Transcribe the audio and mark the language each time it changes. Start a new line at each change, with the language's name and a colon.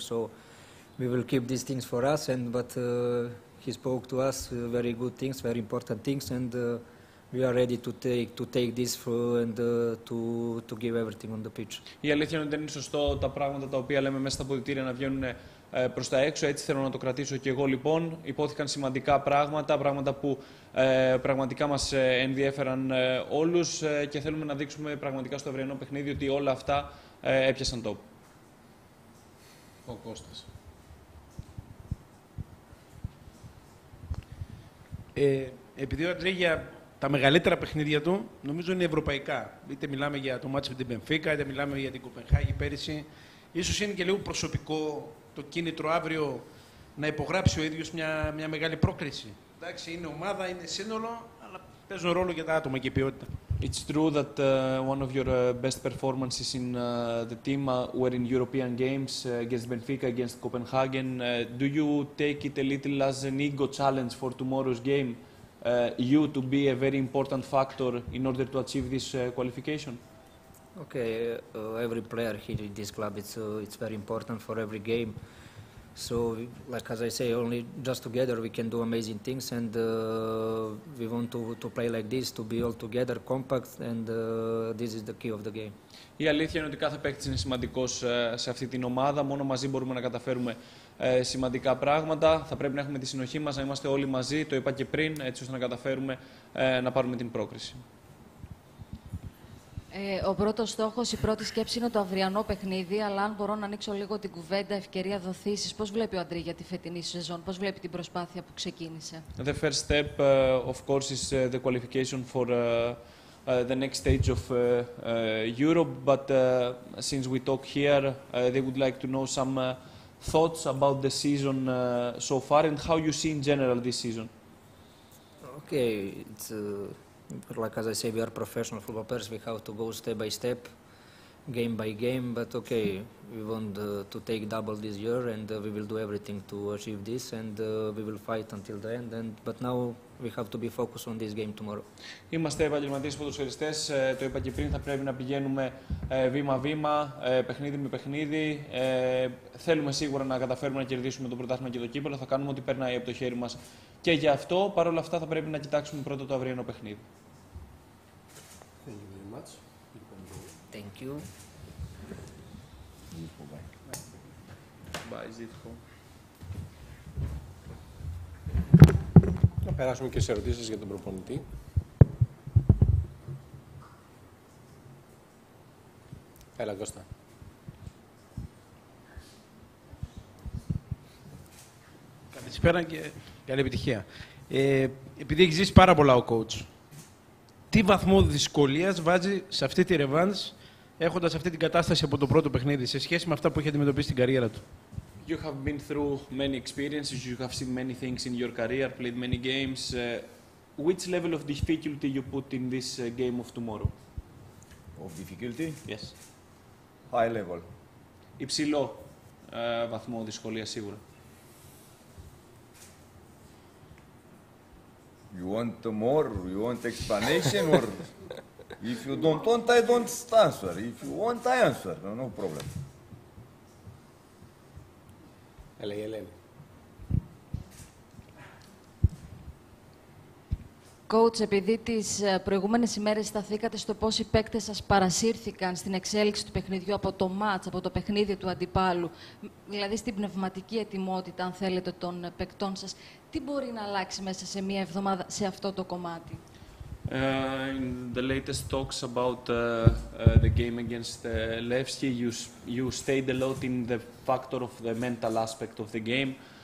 English: So we will keep these things for us, and but he spoke to us very good things, very important things, and we are ready to take this and to give everything on the pitch.
Greek: Η αλήθεια είναι ότι δεν είναι σωστό τα πράγματα τα οποία λέμε μέσα στα αποδυτήρια να βγαίνουν προς τα έξω. Έτσι θέλω να το κρατήσω και εγώ λοιπόν. Υπόθηκαν σημαντικά πράγματα, πράγματα που πραγματικά μας ενδιέφεραν όλους και θέλουμε να δείξουμε πραγματικά στο αυριανό παιχνίδι ότι όλα αυτά έπιασαν τόπο. Ο Κώστας. Επειδή ο Αντρίγια τα μεγαλύτερα παιχνίδια του νομίζω είναι ευρωπαϊκά. Είτε μιλάμε για το μάτς με την Μπενφίκα, είτε μιλάμε για την Κοπενχάγη πέρυσι. Ίσως είναι και λίγο προσωπικό το κίνητρο αύριο να υπογράψει ο ίδιος μια μεγάλη πρόκριση. Εντάξει, είναι ομάδα, είναι σύνολο, αλλά παίζουν ρόλο για τα άτομα και η ποιότητα.
English: It's true that one of your best performances in the team were in European games against Benfica, against Copenhagen. Do you take it a little as an ego challenge for tomorrow's game? You to be a very important factor in order to achieve this qualification? Okay, every player here in this club, it's very important for every game. So, like as I say, only just together we can do amazing things, and we want to play like this, to be all together, compact, and this is the key of the game.
Greek: Η αλήθεια είναι ότι κάθε παίκτης είναι σημαντικός σε αυτή την ομάδα. Μόνο μαζί μπορούμε να καταφέρουμε σημαντικά πράγματα. Θα πρέπει να έχουμε τη συνοχή μας, να είμαστε όλοι μαζί, το είπα και πριν, έτσι ώστε να καταφέρουμε να πάρουμε την πρόκριση. Ο πρώτος στόχος, η πρώτη σκέψη είναι το αυριανό παιχνίδι, αλλά αν μπορώ να ανοίξω λίγο την κουβέντα, ευκαιρία δοθήσεις, πώς βλέπει ο Αντρίγια τη φετινή σεζόν, πώς βλέπει την προσπάθεια που ξεκίνησε?
English: The first step, of course, is the qualification for the next stage of Europe, but since we talk here, they would like to know some thoughts about the season so far and how you see in general this season. Okay, it's like as I say, we are professional football players. We have to go step by step, game by game. But okay, we want to take double this year, and we will do everything to achieve this, and we will fight until the end. But now we have to be focused on this game tomorrow.
Greek: Είμαστε επαγγελματίες ποδοσφαιριστές. Το είπα και πριν, θα πρέπει να πηγαίνουμε βήμα-βήμα, παιχνίδι με παιχνίδι. Θέλουμε σίγουρα να καταφέρουμε να κερδίσουμε το πρωτάθλημα και το κύπελλο. Θα κάνουμε ό,τι περνάει από το χέρι μας. Και γι' αυτό, παρόλα αυτά, θα πρέπει να κοιτάξουμε πρώτα το αυριανό παιχνίδι.
English: Thank you very much. Thank you. Bye, Zitko.
Greek: Να περάσουμε και σε ερωτήσεις για τον προπονητή. Έλα, Κώστα. Καλησπέρα και καλή επιτυχία. Επειδή έχει ζήσει πάρα πολλά ο coach, τι βαθμό δυσκολίας βάζει σε αυτή τη revanche έχοντας αυτή την κατάσταση από το πρώτο παιχνίδι σε σχέση με αυτά που έχει αντιμετωπίσει στην καριέρα του?
English: You have been through many experiences, you have seen many things in your career, played many games. Which level of difficulty you put in this game of tomorrow? Of difficulty? Yes. High level.
Greek: Υψηλό βαθμό δυσκολίας σίγουρα.
English: You want more? You want explanation? Or if you don't want, I don't answer. If you want, I answer. No, no problem.
Greek: Έλεγε, έλεγε. Coach, επειδή τις προηγούμενες ημέρες σταθήκατε στο πώς οι παίκτες σας παρασύρθηκαν στην εξέλιξη του παιχνιδιού από το μάτς, από το παιχνίδι του αντιπάλου, δηλαδή στην πνευματική ετοιμότητα, αν θέλετε, των παικτών σας, τι μπορεί να αλλάξει μέσα σε μία εβδομάδα σε αυτό το κομμάτι?
English: In the latest talks about the game against Levski, you stayed a lot in the factor of the mental aspect of the game.